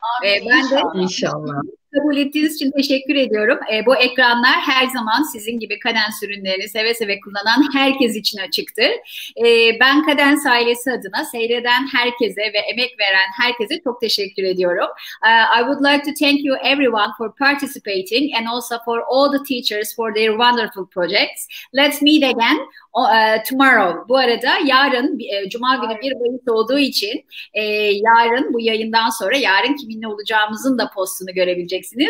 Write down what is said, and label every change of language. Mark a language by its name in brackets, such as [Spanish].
[Turkish] Ben de inşallah. Kabul ettiğiniz için teşekkür ediyorum. Bu ekranlar her zaman sizin gibi kadens ürünlerini seve seve kullanan herkes için açıktır. Ben kadens ailesi adına seyreden herkese ve emek veren herkese çok teşekkür ediyorum. [English] I would like to thank you everyone for participating and also for all the teachers for their wonderful projects. Let's meet again tomorrow. [Turkish] Bu arada yarın Cuma günü bir Mayıs olduğu için yarın bu yayından sonra yarın kiminle olacağımızın da postunu görebileceksiniz.